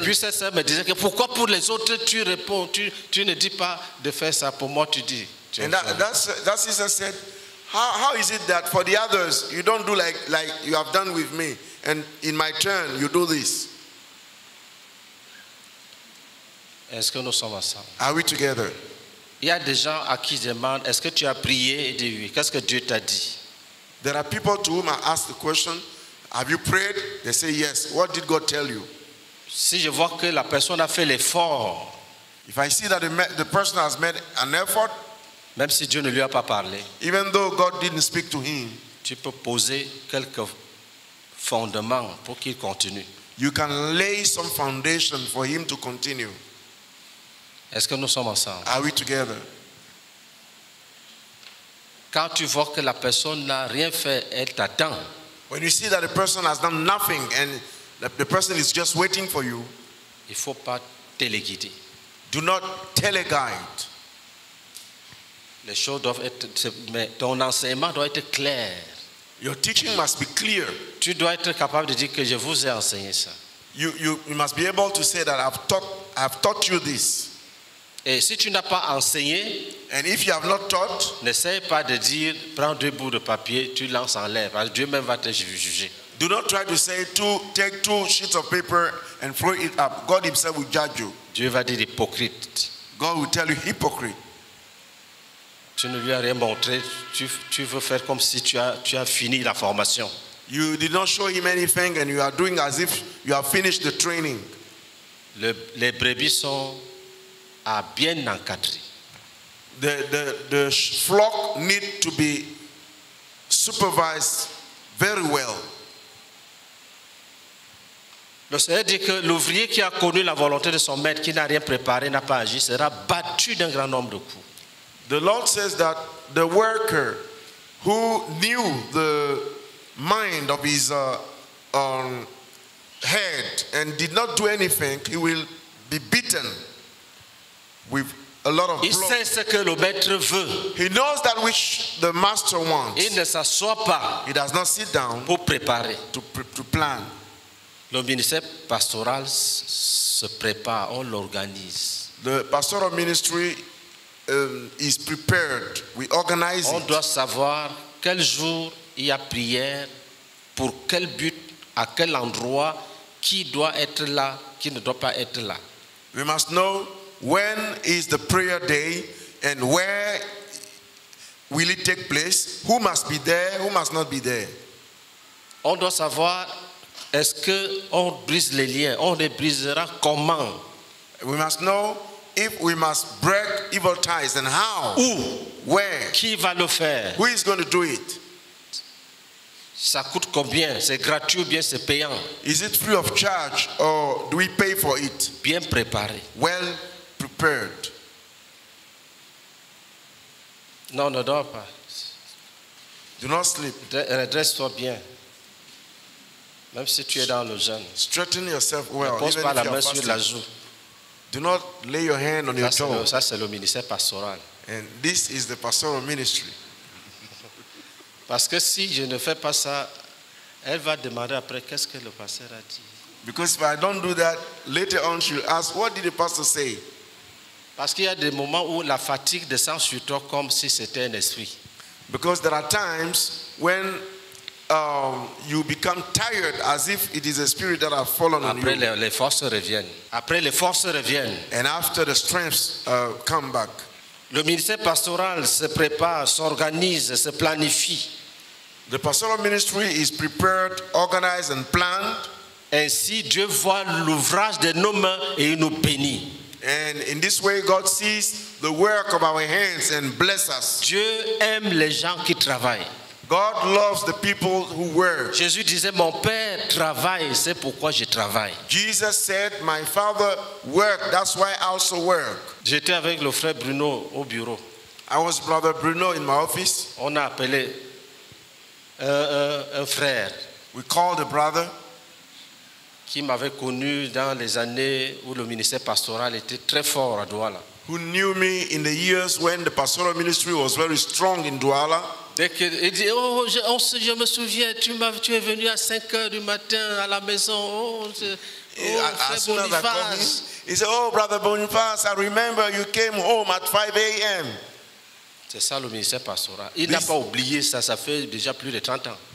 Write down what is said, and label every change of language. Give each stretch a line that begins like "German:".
French: Et puis cette sœur me disait que pourquoi pour les autres tu réponds, tu ne dis pas de faire ça, pour moi tu dis. Tu
English: and that sister said, how is it that for the others you don't do like you have done with me? And in my turn, you do this.
French: Est-ce que nous sommes ensemble?
English: Are we together?
French: Il y a des gens à qui je demande, est-ce que tu as prié et dit oui? Qu'est-ce que Dieu t'a dit?
English: There are people to whom I ask the question, have you prayed? They say yes. What did God tell you?
French: Si je vois que la personne a fait l'effort.
English: If I see that the person has made an effort.
French: Même si Dieu ne lui a pas parlé.
English: Even though God didn't speak to him.
French: Tu peux poser quelques fondement pour qu'il continue.
English: You can lay some foundation for him to continue.
French: Est-ce que nous sommes ensemble?
English: Are we together?
French: Quand tu vois que la personne n'a rien fait, elle t'attend.
English: When you see that the person has done nothing and the person is just waiting for you.
French: Il faut pas téléguider.
English: Do not teleguide.
French: Les choses doivent être, mais ton enseignement doit être clair.
English: Your teaching must be clear.
French: Tu dois être capable de dire que je vous ai enseigné ça.
English: You must be able to say that I've taught you this.
French: Et si tu n'as pas enseigné,
English: and if you have not taught,
French: n'essaie pas de dire prends deux bouts de papier, tu lances en l'air, parce que Dieu même va te juger.
English: Do not try to say take two sheets of paper and throw it up. God himself will judge you.
French: Dieu va dire hypocrite.
English: God will tell you hypocrite.
French: Tu ne lui as rien montré. Tu veux faire comme si tu as fini la formation.
English: You did not show him anything, and you are doing as if you have finished the training.
French: Les brebis sont à bien encadrées.
English: The flock need to be supervised very well.
French: Le Seigneur dit que l'ouvrier qui a connu la volonté de son maître, qui n'a rien préparé, n'a pas agi, sera battu d'un grand nombre de coups.
English: The Lord says that the worker who knew the mind of his head and did not do anything, he will be beaten with a lot of blows.
French: Il sait ce que le maître veut.
English: He knows that which the master wants.
French: Il ne s'assoit pas.
English: He does not sit down
French: pour préparer.
English: To plan.
French: Le ministère pastoral se prépare, on l'organise.
English: The pastoral ministry is prepared. We organize
French: on
English: it.
French: Doit savoir quel jour il y a prière, pour quel but, à quel endroit, qui doit être là, qui ne doit pas être là.
English: We must know when is the prayer day and where will it take place, who must be there, who must not be there.
French: On doit savoir est-ce que on brise les liens, on les brisera comment.
English: We must know if we must break evil ties and how.
French: Où?
English: Where?
French: Qui va le faire?
English: Who is going to do it?
French: Ça coûte combien? C'est gratuit ou bien c'est payant?
English: Is it free of charge or do we pay for it?
French: Bien préparé.
English: Well prepared.
French: Non, ne dors pas.
English: Do not sleep.
French: Redresse-toi bien. Même si tu es dans le jeûne.
English: Straighten yourself well.
French: Ne pose pas la main sur la joue.
English: Do not lay your hand on
French: ça,
English: your jaw.
French: Ça c'est le ministère pastoral.
English: And this is the pastoral ministry.
French: Parce que si je ne fais pas ça, elle va demander après qu'est-ce que le pasteur a dit.
English: Because if I don't do that, later on she'll ask, what did the pastor say?
French: Parce qu'il y a des moments où la fatigue descend sur toi comme si c'était un esprit.
English: Because there are times when you become tired as if it is a spirit that has fallen
French: après
English: on you.
French: Les forces reviennent. Après les forces reviennent.
English: And after the strength come back.
French: Le ministère pastoral se prépare, s'organise, se planifie.
English: The pastoral ministry is prepared, organized and planned.
French: Ainsi Dieu voit l'ouvrage de nos mains et il nous bénit.
English: And in this way God sees the work of our hands and bless us.
French: Dieu aime les gens qui travaillent.
English: God loves the people who work.
French: Jésus disait, mon père travaille, c'est pourquoi je travaille.
English: Jesus said, my father worked, that's why I also work.
French: J'étais avec le frère Bruno au bureau.
English: I was brother Bruno in my office.
French: On a appelé un frère.
English: We called a brother.
French: Qui m'avait connu dans les années où le ministère pastoral était très fort à Douala.
English: Who knew me in the years when the pastoral ministry was very strong in Douala.
French: Il dit, oh, je me souviens, tu es venu à 5 heures du matin à la maison. Oh, frère Boniface.
English: He said, oh, brother Boniface, I remember you came home at 5 a.m.
French: C'est ça le ministère pastoral. Il n'a pas oublié ça, ça fait déjà plus de 30 ans.